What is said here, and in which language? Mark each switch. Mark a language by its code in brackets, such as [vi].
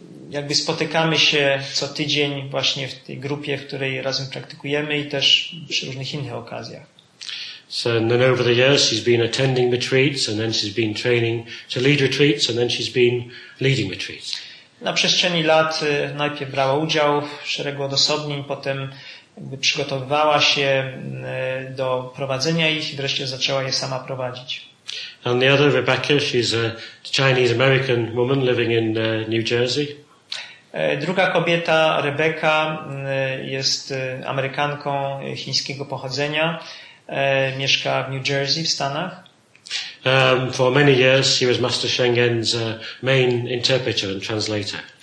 [pl] Jakby spotykamy się co tydzień właśnie w tej grupie, w której razem praktykujemy i też przy różnych innych okazjach. [en] So then over the years she's been attending retreats and then she's been training to lead retreats and then she's been leading retreats. [pl] Na przestrzeni lat najpierw brała udział w szeregu odosobnień, potem jakby przygotowywała się do prowadzenia ich i wreszcie zaczęła je sama prowadzić. [en] And the other, Rebecca, she's a Chinese-American woman living in New Jersey. [pl] Druga kobieta, Rebeka, jest Amerykanką chińskiego pochodzenia. Mieszka w New Jersey w Stanach. [en] For many years he was Master Shengen's main interpreter and translator.